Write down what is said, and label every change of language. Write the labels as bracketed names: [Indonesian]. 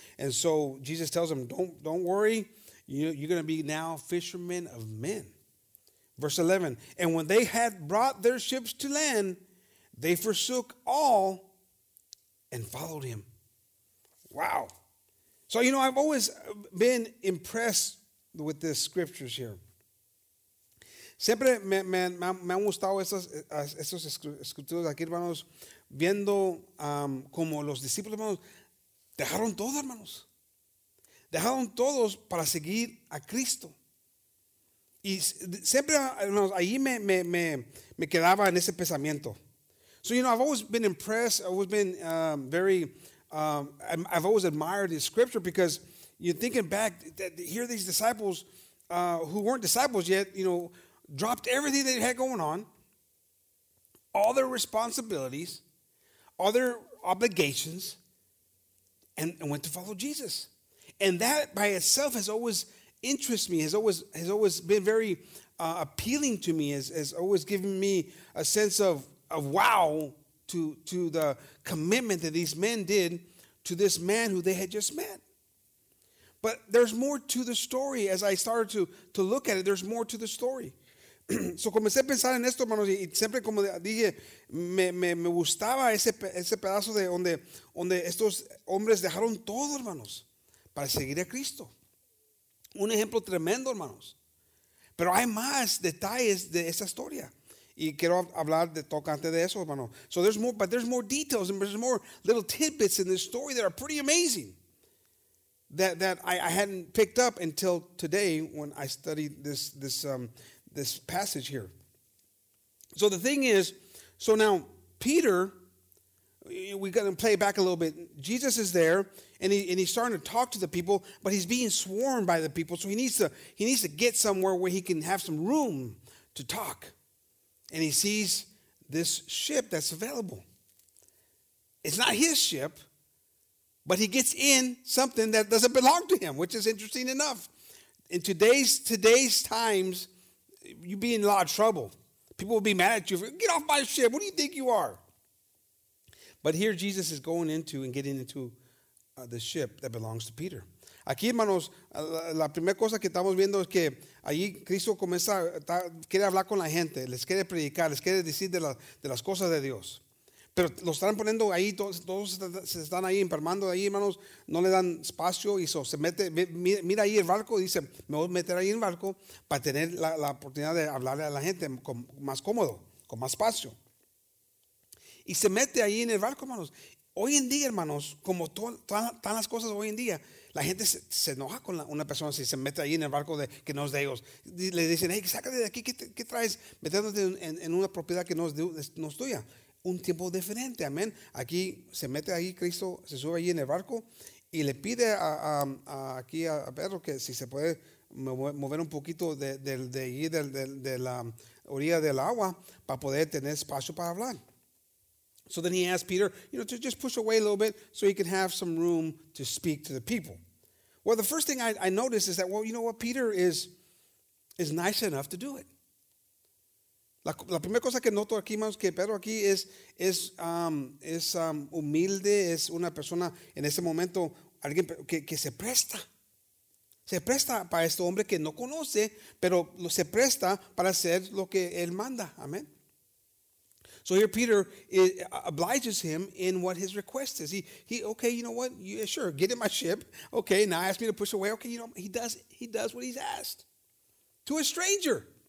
[English] And so Jesus tells them, don't worry, you're going to be now fishermen of men. Verse 11, and when they had brought their ships to land, they forsook all and followed him. Wow. So, you know, I've always been impressed with this scriptures here. [Spanish] Siempre me han gustado esas escrituras aquí, hermanos, viendo como los discípulos, hermanos, dejaron todo, hermanos. Dejaron todos para seguir a Cristo. Y siempre, hermanos, ahí me quedaba en ese pensamiento. [English] So, you know, I've always been impressed. I've always been I've always admired this scripture because you're thinking back, here are these disciples who weren't disciples yet, you know, dropped everything they had going on, all their responsibilities, all their obligations, and went to follow Jesus. And that by itself has always interested me, has always been very appealing to me, has always given me a sense of wow to the commitment that these men did to this man who they had just met. But there's more to the story. As I started to look at it, there's more to the story. [Spanish] So comencé a pensar en esto, hermanos, y siempre, como dije, me gustaba ese pedazo de donde estos hombres dejaron todo, hermanos, para seguir a Cristo. Un ejemplo tremendo, hermanos. Pero hay más detalles de esa historia. Y quiero hablar de tocante de eso, hermanos. [English] So there's more, but there's more details and there's more little tidbits in this story that are pretty amazing that I hadn't picked up until today when I studied this passage here. So the thing is, so now Peter, we got to play back a little bit. Jesus is there, and he's starting to talk to the people, but he's being swarmed by the people, so he needs to get somewhere where he can have some room to talk. And he sees this ship that's available. It's not his ship, but he gets in something that doesn't belong to him, which is interesting enough. In today's times, you'd be in a lot of trouble. People will be mad at you. Get off my ship. What do you think you are? But here Jesus is going into and getting into the ship that belongs to Peter. [Spanish] Aquí, hermanos, la primera cosa que estamos viendo es que allí Cristo comienza, quiere hablar con la gente, les quiere predicar, les quiere decir de las cosas de Dios. Pero lo están poniendo ahí, todos se están ahí empermando ahí, hermanos, no le dan espacio y se mete, mira ahí el barco y dice, me voy a meter ahí en el barco para tener la oportunidad de hablarle a la gente con más cómodo, con más espacio. Y se mete ahí en el barco, hermanos, Hoy en día, hermanos, como están las cosas hoy en día, la gente se enoja con una persona si se mete ahí en el barco de que no es de ellos. Le dicen, hey, sácate de aquí, ¿qué traes? Metiéndote en una propiedad que no es tuya. Un tiempo diferente, amén. Aquí se mete ahí Cristo, se sube allí en el barco y le pide a Pedro que si se puede mover un poquito de la orilla del agua para poder tener espacio para hablar. [English] So then he asked Peter, you know, to just push away a little bit so he can have some room to speak to the people. Well, the first thing I noticed is that, well, you know what, Peter is nice enough to do it. [Spanish] La primera cosa que noto aquí, hermanos, que Pedro aquí es humilde, es una persona en ese momento, alguien que se presta. Se presta para este hombre que no conoce, pero se presta para hacer lo que él manda. Amén. [English] So here Peter obliges him in what his request is. He okay, you know what? Yeah, sure, get in my ship. Okay, now ask me to push away. Okay, you know, he does what he's asked to a stranger.